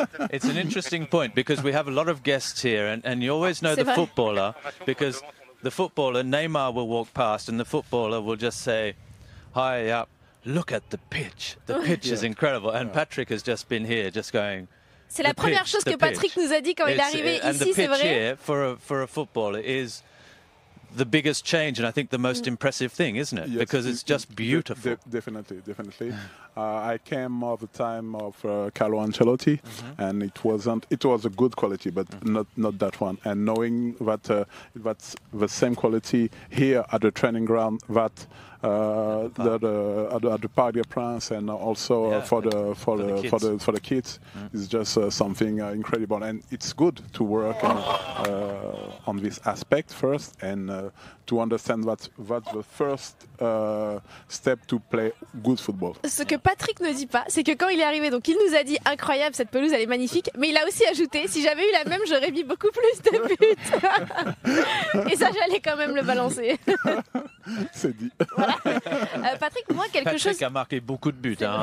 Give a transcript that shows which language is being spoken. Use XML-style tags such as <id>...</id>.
<en>It's an interesting point because we have a lot of guests here, and you always know</en> <fr>c'est</fr> <en>the</en> <fr>vrai.</fr> <en>Footballer because the footballer Neymar will walk past, and the footballer will just say, "Hi, up." Look at the pitch. The pitch is incredible. And Patrick has just been here, just going...</en> <fr>C'est la première chose que Patrick nous a dit quand il est arrivé ici, c'est vrai.</fr> <en>And the pitch here, for a footballer, is the biggest change and I think the most impressive thing, isn't it? Yes, because it's just beautiful. Definitely. I came at the time of Carlo Ancelotti, and it was a good quality, but not that one. And knowing that that's the same quality here at the training ground, that at the Parc des Princes, and also for the kids, is just something incredible. And it's good to work on this aspect first, and to understand that's the first step to play good football.</en> <fr>Ce que Patrick ne dit pas, c'est que quand il est arrivé, donc il nous a dit incroyable, cette pelouse elle est magnifique, mais il a aussi ajouté, si j'avais eu la même, j'aurais mis beaucoup plus de buts. Et ça, j'allais quand même le balancer. C'est dit. Voilà. Patrick a marqué beaucoup de buts.</fr>